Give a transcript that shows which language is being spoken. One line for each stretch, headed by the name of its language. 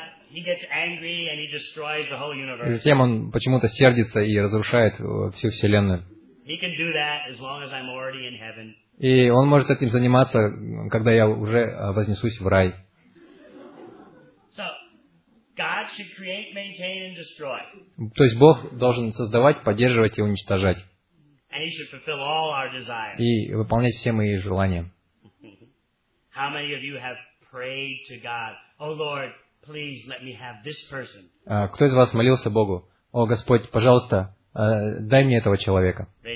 English: He gets angry and he destroys the whole universe.
Russian: Затем он почему-то сердится и разрушает всю вселенную.
English: He can do that as long as I'm already in heaven.
Russian: И он может этим заниматься, когда я уже вознесусь в рай.
English: So, God should create, maintain and destroy.
Russian: То есть Бог должен создавать, поддерживать и уничтожать.
English: And he should fulfill all our desires.
Russian: И выполнять все мои желания.
English: How many of you have prayed to God, "Oh Lord, please let me have this person"?
Russian: Кто из вас молился Богу: "О Господь, пожалуйста, дай мне этого человека"?